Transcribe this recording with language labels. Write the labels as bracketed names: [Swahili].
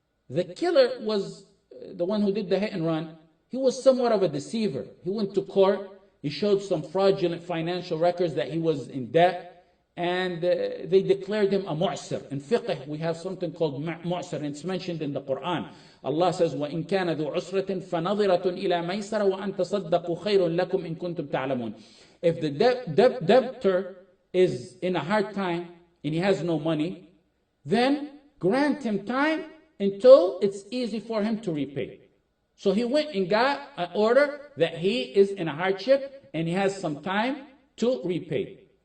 [English] The killer was the one who did the hit and run. He was somewhat of a deceiver. He went to court. He showed some fraudulent financial records that he was in debt. And they declared him a mu'sir. In fiqh, we have something called mu'sir. And it's mentioned in the Quran. Allah says, [Arabic] وَإِنْ كَانَ ذُو عُسْرَةٍ فَنَظِرَةٌ إِلَى مَيْسَرَ وَأَنْ تَصَدَّقُوا خَيْرٌ لَكُمْ إِنْ كُنْتُمْ تَعْلَمُونَ. [English] If the debtor is in a hard time and he has no money, then grant him time until it's easy for him to repay. So he went and got an order that he is in a hardship and he has some time to repay.